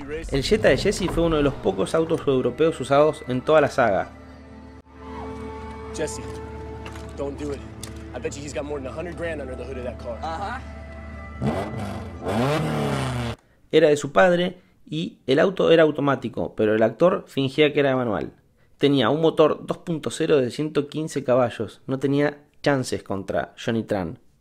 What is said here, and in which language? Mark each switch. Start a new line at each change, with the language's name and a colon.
Spanish: El Jetta de Jesse fue uno de los pocos autos europeos usados en toda la saga.
English: Jesse, don't do it. I bet you he's got more than 100 grand under the hood of that car.
Spanish: Era de su padre. Y el auto era automático, pero el actor fingía que era manual. Tenía un motor 2.0 de 115 caballos. No tenía chances contra Jony Tran.